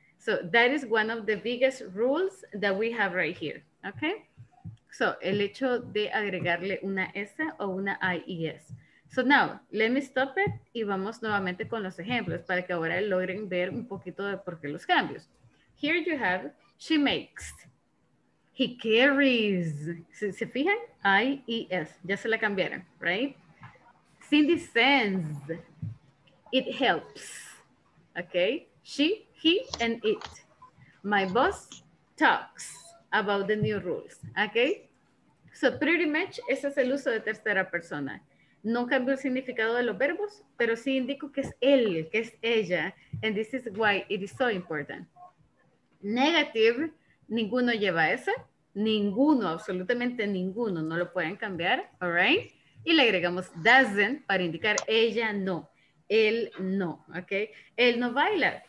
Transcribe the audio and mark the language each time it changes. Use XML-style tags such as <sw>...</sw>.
<en>So that is one of the biggest rules that we have right here. Okay.</en> <es>So el hecho de agregarle una S o una IES.</es> <en>So now, let me stop it</en> <es>y vamos nuevamente con los ejemplos para que ahora logren ver un poquito de por qué los cambios.</es> <en>Here you have, she makes. He carries.</en> <es>¿Se fijan?</es> <en>I-E-S.</en> <es>Ya se la cambiaron,</es> <en>right? Cindy sends. It helps. Okay? She, he, and it. My boss talks about the new rules. Okay? So pretty much,</en> <es>ese es el uso de tercera persona. No cambio el significado de los verbos, pero sí indico que es él, que es ella.</es> <en>And this is why it is so important.</en> <es>Negative, ninguno lleva ese. Ninguno, absolutamente ninguno. No lo pueden cambiar. All right? Y le agregamos doesn't para indicar ella no. Él no. Okay? Él no baila.</es>